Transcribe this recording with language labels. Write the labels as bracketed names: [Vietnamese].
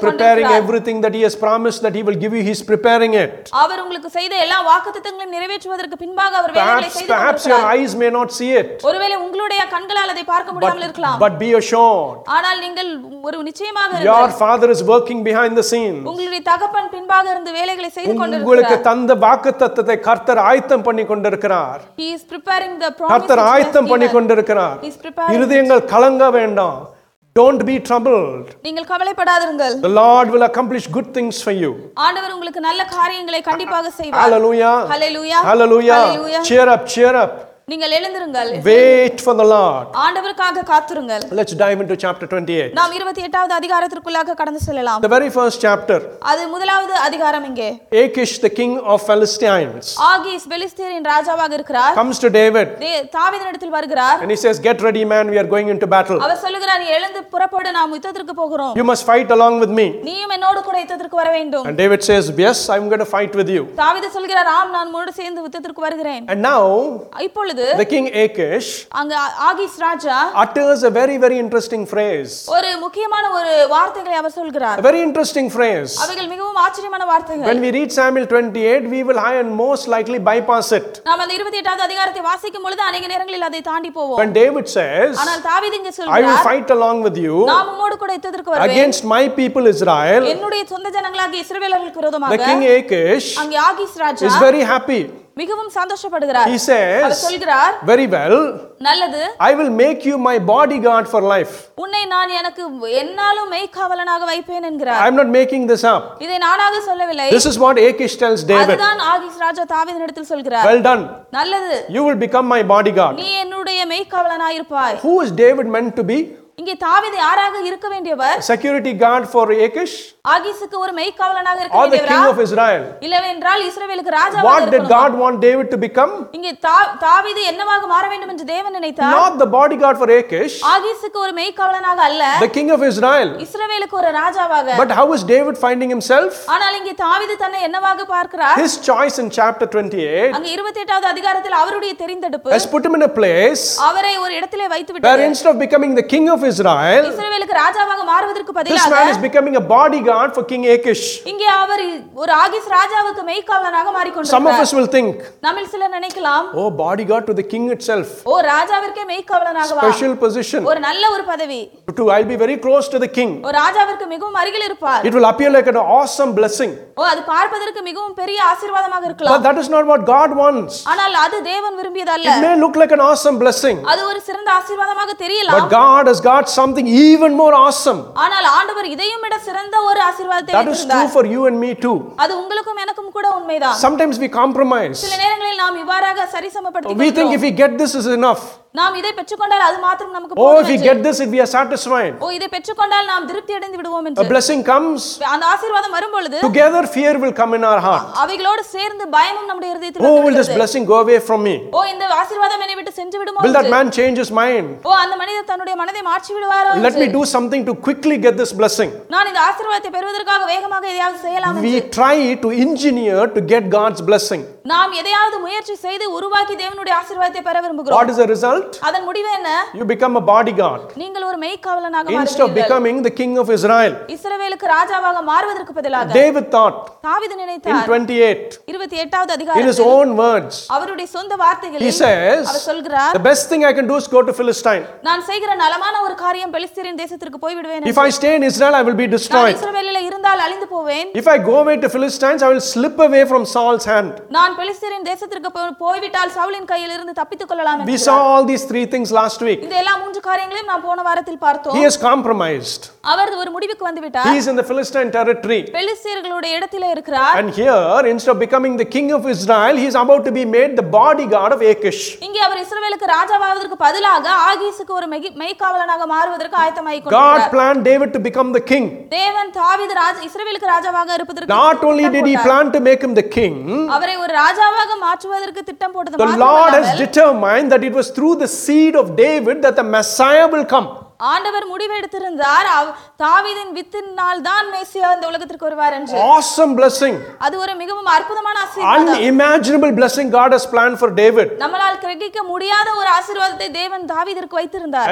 [English] God is preparing everything that he has promised that he will give you. He is preparing it. [Tamil] அவர் உங்களுக்கு செய்த எல்லா வாக்குத்தத்தங்களையும் நிறைவேற்றுவதற்கு பின்பாக அவர் வேலைகளை செய்து கொண்டிருக்கிறார். [English] Perhaps your eyes may not see it. [Tamil] ஒருவேளை உங்களுடைய கண்களால் அதை பார்க்க முடியாமல் இருக்கலாம். [English] But be assured. [Tamil] ஆனால் நீங்கள் ஒரு நிச்சயமாக இருங்கள். [English] Your father is working behind the scenes. [Tamil] உங்களுடைய தகப்பன் பின்பாக இருந்து வேலைகளை செய்து கொண்டிருக்கிறார். உங்களுக்கு தந்த வாக்குத்தத்தத்தை கர்த்தர் ஆயத்தம் பண்ணி கொண்டிருக்கிறார். [English] He is preparing the promises. [Tamil] கர்த்தர் ஆயத்தம் பண்ணி கொண்டிருக்கிறார். இருதயங்கள் கலங்க வேண்டாம். [English] Don't be troubled. [Tamil] நீங்கள் கவலைப்படாதிருங்கள். [English] The Lord will accomplish good things for you. [Tamil] ஆண்டவர் உங்களுக்கு நல்ல காரியங்களை கண்டிப்பாக செய்வார். [English] Hallelujah. Hallelujah. Hallelujah. Hallelujah. Cheer up, cheer up. [Tamil] நீங்கள் எழுந்திருங்கள். [English] Wait for the Lord. [Tamil] ஆண்டவருக்காக காத்திருங்கள். [English] Let's dive into chapter 28. [Tamil] நாம் 28வது அதிகாரத்திற்குள்ளாக கடந்து செல்லலாம். [English] The very first chapter. [Tamil] அது முதலாவது அதிகாரம் இங்கே. [English] Achish the king of Philistines. [Tamil] ஆகீஸ் பெலிஸ்தீரின் ராஜாவாக இருக்கிறார். [English] Comes to David. [Tamil] தாவீதினிடத்தில் வருகிறார். [English] And he says, "Get ready, man, we are going into battle." [Tamil] அவர் சொல்கிறார், நீ எழுந்து புறப்படு, நாம் யுத்தத்திற்கு போகிறோம். [English] You must fight along with me. [Tamil] நீயும் என்னோடு கூட யுத்தத்திற்கு வர வேண்டும். [English] And David says, "Yes, I'm going to fight with you." [Tamil] David சொல்கிறார், ஆம், நான் உம்மோடு சேர்ந்து யுத்தத்திற்கு வருகிறேன். [English] And now, [Tamil] இப்பொழுது [English] the king Achish [Tamil] ஆகீஸ் Raja [English] utters a very very interesting phrase. [Tamil] ஒரு முக்கியமான ஒரு வார்த்தைகளை அவர் சொல்கிறார். [English] A very interesting phrase. [Tamil] அவைகள் மிகவும் ஆச்சரியமான வார்த்தைகள். [English] When we read Samuel 28 we will high and most likely bypass it. [Tamil] நாம் அந்த 28வது அதிகாரத்தை வாசிக்கும் பொழுது அநேக நேரங்களில் அதை தாண்டி போவோம். [English] When David says [Tamil] ஆனால் தாவீத் இங்கே சொல்கிறார் [English] I will fight along with you. [Tamil] நான் உம்மோடு கூட யுத்தத்திற்கு வருவேன். [English] Against my people Israel. [Tamil] என்னுடைய சொந்த ஜனங்களாகிய இஸ்ரவேலர்களுக்கு விரோதமாக. [English] The king Achish [Tamil] அங்கே ஆகீஸ் ராஜா [English] is very happy. [Tamil] மிகவும் சந்தோஷப்படுகிறார். [English] He says, very well. [Tamil] நல்லது. [English] I will make you my bodyguard for life. [Tamil] உன்னை நான் எனக்கு என்னாலும் மெய்காவலனாக வைப்பேன் என்கிறார். [English] I am not making this up. [Tamil] இதை நானாக சொல்லவில்லை. [English] This is what Achish tells David. [Tamil] அதுதான் ஆகீஸ் ராஜா தாவீதினிடத்தில் சொல்கிறார். [English] Well done. [Tamil] நல்லது. [English] You will become my bodyguard. [Tamil] நீ என்னுடைய மெய்காவலனாக இருப்பாய். [English] Who is David meant to be? [Tamil] இங்கே தாவீத் யாராக இருக்க வேண்டியவர்? [English] Security guard for Achish? [Tamil] ஆகீஸுக்கு ஒரு மெய்காவலனாக இருக்க வேண்டியவரா? [English] Or the king of Israel? [Tamil] இல்லவென்றால் இஸ்ரவேலுக்கு ராஜாவாக இருக்கணும். [English] What did God want David to become? [Tamil] இங்கே தாவீது என்னவாக மாற வேண்டும் என்று தேவன் நினைத்தார்? [English] Not the bodyguard for Achish. [Tamil] ஆகீஸுக்கு ஒரு மெய்காவலனாக அல்ல. [English] The king of Israel. [Tamil] இஸ்ரவேலுக்கு ஒரு ராஜாவாக. [English] But how is David finding himself? [Tamil] ஆனால் இங்கே தாவீது தன்னை என்னவாக பார்க்கிறார்? [English] His choice in chapter 28. [Tamil] அங்கே 28வது அதிகாரத்தில் அவருடைய தேர்ந்தெடுப்பு. [English] Has put him in a place. [Tamil] அவரை ஒரு இடத்திலே வைத்து விட்டார். [English] Where instead of becoming the king of Israel. [Tamil] இஸ்ரவேலுக்கு ராஜாவாக மாறுவதற்கு பதிலாக. [English] This man is becoming a bodyguard for King Achish. [Tamil] இங்கே அவர் ஒரு ஆகீஸ் ராஜாவுக்கு மெய்காவலனாக மாறிக்கொண்டிருக்கிறார். [English] Some of us will think. [Tamil] நம்மில் சிலர் நினைக்கலாம். [English] Oh bodyguard to the king itself. [Tamil] ஓ ராஜாவிற்கே மெய்காவலனாக வா. [English] Special position. [Tamil] ஒரு நல்ல ஒரு பதவி. [English] I'll be very close to the king. [Tamil] ஓ ராஜாவிற்கு மிகவும் அருகில் இருப்பார். [English] It will appear like an awesome blessing. [Tamil] ஓ அது பார்ப்பதற்கு மிகவும் பெரிய ஆசீர்வாதமாக இருக்கலாம். [English] But that is not what God wants. [Tamil] ஆனால் அது தேவன் விரும்பியதல்ல. [English] It may look like an awesome blessing. [Tamil] அது ஒரு சிறந்த ஆசீர்வாதமாக தெரியலாம். [English] But God has got something even more awesome. [Tamil] ஆனால் ஆண்டவர் இதையும் விட சிறந்த ஒரு ஆசீர்வாதத்தை வைத்திருந்தார். [English] That is true for you and me too. [Tamil] அது உங்களுக்கும் எனக்கும் கூட உண்மைதான். [English] Sometimes we compromise. [Tamil] சில நேரங்களில் நாம் இவ்வாறாக சரிசமப்படுத்திக்கொள்கிறோம். [English] We think if we get this is enough. [Tamil] நாம் இதை பெற்றுக்கொண்டால் அது மாத்திரம் நமக்கு போதும். [English] Oh, if we get this, if we are satisfied. [Tamil] ஓ இதை பெற்றுக்கொண்டால் நாம் திருப்தி அடைந்து விடுவோம் என்று. [English] A blessing comes. [Tamil] அந்த ஆசீர்வாதம் வரும்பொழுது. [English] Together fear will come in our heart. [Tamil] அவைகளோடு சேர்ந்து பயமும் நம்முடைய இதயத்தில் வந்து. [English] Oh, will this blessing go away from me? [Tamil] ஓ இந்த ஆசீர்வாதம் என்னை விட்டு சென்று விடுமோ? [English] Will that man change his mind? [Tamil] ஓ அந்த மனிதர் தன்னுடைய மனதை மாற்றி விடுவாரோ? [English] Let me do something to quickly get this blessing. [Tamil] நான் இந்த ஆசீர்வாதத்தை பெறுவதற்காக வேகமாக எதையாவது செய்யலாம் என்று. [English] We try to engineer to get God's blessing. [Tamil] நாம் எதையாவது முயற்சி செய்து உருவாக்கி தேவனுடைய ஆசீர்வாதத்தை பெற விரும்புகிறோம். [English] What is the result? [Tamil] அதன் முடிவு என்ன? [English] You become a bodyguard. [Tamil] நீங்கள் ஒரு மெய்காவலனாக மாறுவீர்கள். [English] Instead of becoming the king of Israel. [Tamil] இஸ்ரவேலுக்கு ராஜாவாக மாறுவதற்கு பதிலாக. [English] David thought. [Tamil] தாவீது நினைத்தார் [English] in 28 [Tamil] 28வது அதிகாரத்தில் [English] in his own words [Tamil] அவருடைய சொந்த வார்த்தைகளில் [English] he says [Tamil] அவர் சொல்கிறார் [English] the best thing I can do is go to Philistine [Tamil] நான் செய்கிற நலமான ஒரு காரியம் பெலிஸ்தீரின் தேசத்திற்கு போய் விடுவேன் [English] if I stay in Israel I will be destroyed [Tamil] நான் இஸ்ரவேலில் இருந்தால் அழிந்து போவேன் [English] if I go away to Philistines I will slip away from Saul's hand [Tamil] நான் பெலிஸ்தீரின் தேசத்திற்கு போய் விட்டால் சவுலின் கையிலிருந்து தப்பித்துக் கொள்ளலாம் [English] we saw all these three things last week [Tamil] இதெல்லாம் மூன்று காரியங்களையும் நாம் போன வாரத்தில் பார்த்தோம் [English] he has compromised [Tamil] அவர் ஒரு முடிவுக்கு வந்துவிட்டார் [English] he is in the Philistine territory [Tamil] பெலிஸ்தீர்களுடைய இடத்திலே இருக்கிறார் [English] and here instead of becoming the king of Israel he is about to be made the bodyguard of Achish [Tamil] இங்கே அவர் இஸ்ரவேலுக்கு ராஜாவாவதற்கு பதிலாக ஆகீசுக்கு ஒரு மெய்க்காவலனாக மாறுவதற்கு ஆயத்தமாகிக் கொண்டார் [English] God planned David to become the king [Tamil] தேவன் தாவீது ராஜா இஸ்ரவேலுக்கு ராஜாவாக இருப்பதற்கு [English] not only did he plan to make him the king [Tamil] அவரை ஒரு ராஜாவாக மாற்றுவதற்கு திட்டம் போட்டது [English] the Lord has determined that it was through the seed of David that the Messiah will come [Tamil] ஆண்டவர் முடிவெடுத்திருந்தார் தாவீதின் வித்தினால் தான் மெசியா இந்த உலகத்திற்கு வருவார் என்று [English] awesome blessing [Tamil] அது ஒரு மிகவும் அற்புதமான ஆசீர்வாதம் [English] unimaginable blessing God has planned for David [Tamil] நம்மால் கிரகிக்க முடியாத ஒரு ஆசீர்வாதத்தை தேவன் தாவீதிற்கு வைத்திருந்தார்